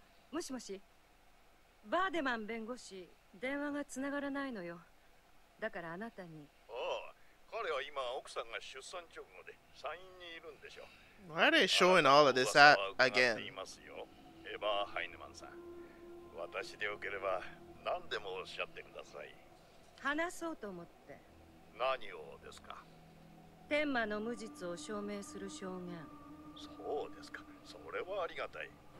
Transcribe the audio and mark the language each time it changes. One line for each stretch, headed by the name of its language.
Japanese: もしもし、バーデマン弁護士、電話がつながらないのよ。だからあなたに。ああ、彼は今奥さんが出産直後で産院にいるんでしょう。
English: Why are they showing all of this at again?
Japanese: いますよ、エバー・ハイネマンさん。私でよければ何でもおっしゃってください。話そうと思って。何をですか。天魔の無実を証明する証言。そうですか。それはありがたい。